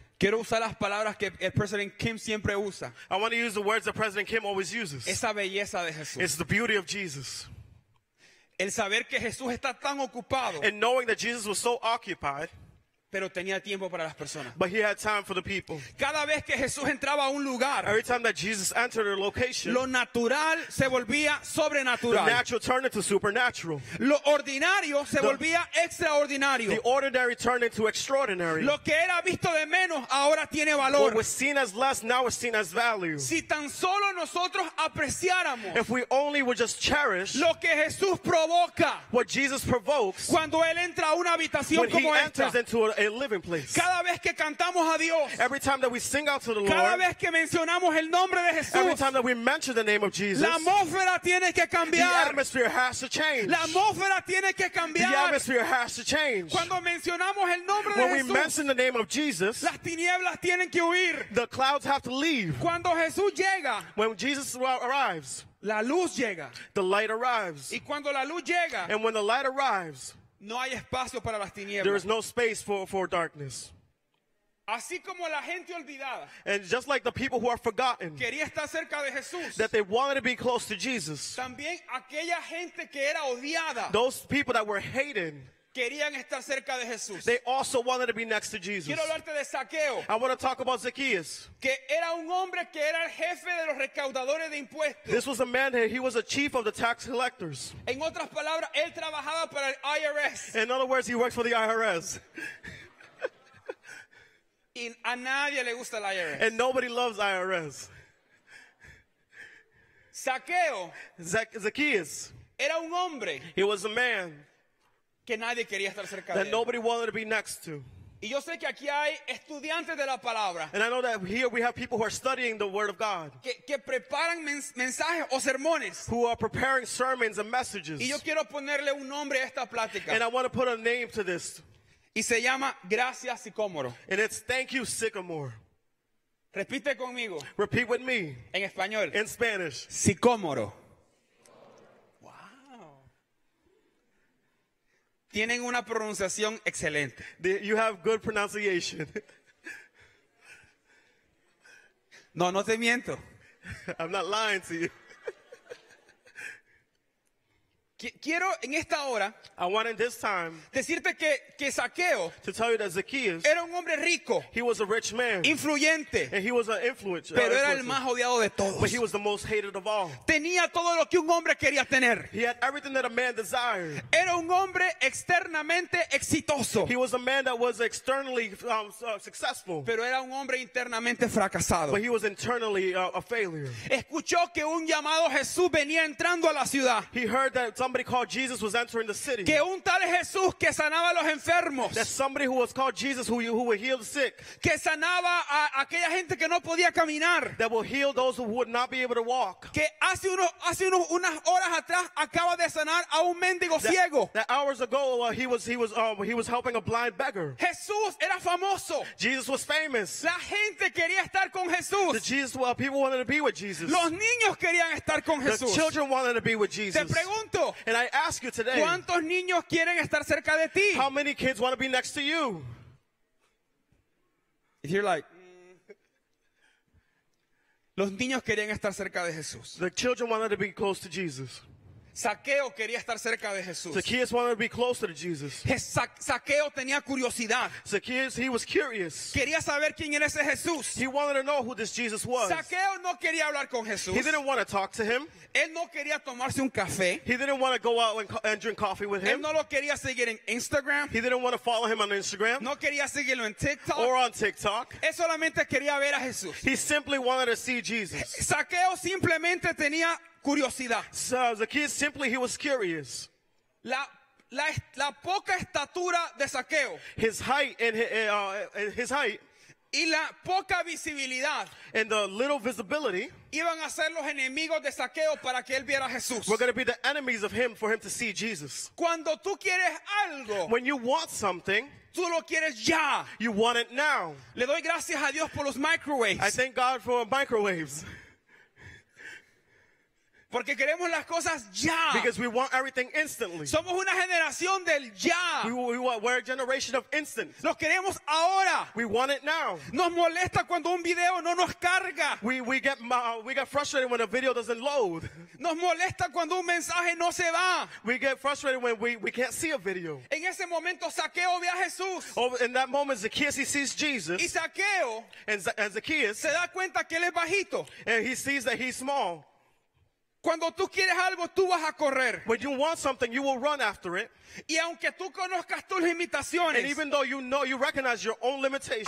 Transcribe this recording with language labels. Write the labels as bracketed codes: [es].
[es] Quiero usar las palabras que el President Kim siempre usa. [en] I want to use the words that President Kim always uses. [es] Esa belleza de Jesús. [en] It's the beauty of Jesus. [es] El saber que Jesús está tan ocupado. [en] And knowing that Jesus was so occupied. [es] Pero tenía tiempo para las personas. [en] But he had time for the people. [es] Cada vez que Jesús entraba a un lugar. [en] Every time that Jesus entered a location. [es] Lo natural se volvía sobrenatural. [en] The natural turned into supernatural. [es] Lo ordinario se volvía extraordinario. [en] The ordinary turned into extraordinary. [es] Lo que era visto de menos ahora tiene valor. [en] What was seen as less now is seen as value. [es] Si tan solo nosotros apreciáramos. [en] If we only would just cherish. [es] Lo que Jesús provoca. [en] What Jesus provokes. [es] Cuando él entra a una habitación como esta. [en] When he enters into a living place. [es] Cada vez que cantamos a Dios, [en] every time that we sing out to the [es] cada [en] Lord, [es] vez que mencionamos el nombre de Jesús, [en] every time that we mention the name of Jesus, [es] la atmósfera tiene que cambiar. [en] The atmosphere has to change. [es] La atmósfera tiene que cambiar. [en] The atmosphere has to change. [es] Cuando mencionamos el nombre [en] when [es] de [en] we [es] Jesús, [en] mention the name of Jesus, [es] las tinieblas tienen que huir. [en] The clouds have to leave. [es] Cuando Jesús llega, [en] when Jesus arrives, [es] la luz llega. [en] The light arrives. [es] Y cuando la luz llega, [en] and when the light arrives, [es] no hay espacio para las tinieblas. [en] There is no space for darkness. [es] Así como la gente olvidada. [en] And just like the people who are forgotten. [es] Quería estar cerca de Jesús. [en] That they wanted to be close to Jesus. [es] También aquella gente que era odiada. [en] Those people that were hated. [es] Querían estar cerca de Jesús. [en] They also wanted to be next to Jesus. [es] Quiero hablarte de Zaqueo. [en] I want to talk about Zacchaeus. [es] Que era un hombre que era el jefe de los recaudadores de impuestos. [en] This was a man that he was a chief of the tax collectors. [es] En otras palabras, él trabajaba para el IRS. [en] In other words, he worked for the IRS. [es] Y a nadie le gusta el IRS. [en] And nobody loves IRS. [es] Zaqueo. [en] Zacchaeus. [es] Era un hombre. [en] He was a man. [es] Que nadie quería estar cerca [en] that [es] de [en] nobody wanted to be next to. [es] Y yo sé que aquí hay estudiantes de la palabra. [en] And I know that here we have people who are studying the word of God. [es] Que preparan mensajes o sermones. [en] Who are preparing sermons and messages. [es] Y yo quiero ponerle un nombre a esta plática. [en] And I want to put a name to this. [es] Y se llama Gracias Sicómoro. [en] And it's Thank You Sycamore. [es] Repite conmigo. [en] Repeat with me. [es] En español. [en] In Spanish. [es] Sicómoro. Tienen una pronunciación excelente. [en] You have good pronunciation. [es] No, no te miento. [en] I'm not lying to you. [es] Quiero en esta hora [en] I want in this time [es] decirte que Zaqueo [en] to tell you that Zacchaeus [es] era un hombre rico. [en] He was a rich man. [es] Influyente. [en] And he was an influencer. [es] Pero era el más odiado de todos. [en] But he was the most hated of all. [es] Tenía todo lo que un hombre quería tener. [en] He had everything that a man desired. [es] Era un hombre externamente exitoso. [en] He was a man that was externally successful. [es] Pero era un hombre internamente fracasado. [en] But he was internally a failure. [es] Escuchó que un llamado Jesús venía entrando a la ciudad. [en] He heard that somebody called Jesus was entering the city. [es] Que un tal Jesús que sanaba los enfermos. [en] That somebody who was called Jesus who would heal the sick. [es] Que sanaba a aquella gente que no podía caminar. [en] That will heal those who would not be able to walk. [es] Que hace unas horas atrás acaba de sanar a un mendigo ciego. [en] That hours ago he was helping a blind beggar. [es] Jesús era famoso. [en] Jesus was famous. [es] La gente quería estar con Jesús. [en] People wanted to be with Jesus. [es] Los niños querían estar con Jesús. [en] The children wanted to be with Jesus. [es] Te pregunto. [en] And I ask you today, [es] ¿cuántos niños quieren estar cerca de ti? [en] How many kids want to be next to you? If you're like, [es] los niños querían estar cerca de Jesús. [en] The children wanted to be close to Jesus. [es] Zaqueo quería estar cerca de Jesús. [en] Zacchaeus wanted to be closer to Jesus. [es] Zaqueo tenía curiosidad. [en] Zacchaeus, he was curious. [es] Quería saber quién era ese Jesús. [en] He wanted to know who this Jesus was. [es] Zaqueo no quería hablar con Jesús. [en] He didn't want to talk to him. [es] Él no quería tomarse un café. [en] He didn't want to go out and drink coffee with him. [es] Él no lo quería seguir en Instagram. [en] He didn't want to follow him on Instagram. [es] No quería seguirlo en TikTok. [en] Or on TikTok. [es] Él solamente quería ver a Jesús. [en] He simply wanted to see Jesus. [es] Zaqueo simplemente tenía curiosidad. [en] So Zacchaeus simply he was curious. [es] La poca estatura de Zaqueo. [en] His height and his height. [es] Y la poca visibilidad. [en] And the little visibility. [es] Iban a ser los enemigos de Zaqueo para que él viera a Jesús. [en] We're going to be the enemies of him for him to see Jesus. [es] Cuando tú quieres algo. [en] When you want something. [es] Tú lo quieres ya. [en] You want it now. [es] Le doy gracias a Dios por los microwaves. [en] I thank God for microwaves. [es] Porque queremos las cosas ya. [en] Because we want everything instantly. [es] Somos una generación del ya. [en] We're a generation of instant. [es] Lo queremos ahora. [en] We want it now. [es] Nos molesta cuando un video no nos carga. [en] We get frustrated when a video doesn't load. [es] Nos molesta cuando un mensaje no se va. [en] We get frustrated when we can't see a video. [es] En ese momento Zaqueo ve a Jesús. [en] In that moment Zacchaeus he sees Jesus. [es] Y Zaqueo [en] and Zacchaeus [es] se da cuenta que él es bajito. [en] And he sees that he's small. [es] Cuando tú quieres algo, tú vas a correr. [en] When you want something, you will run after it. [es] Y aunque tú conozcas tus limitaciones, [en] and even though you recognize your own limitations,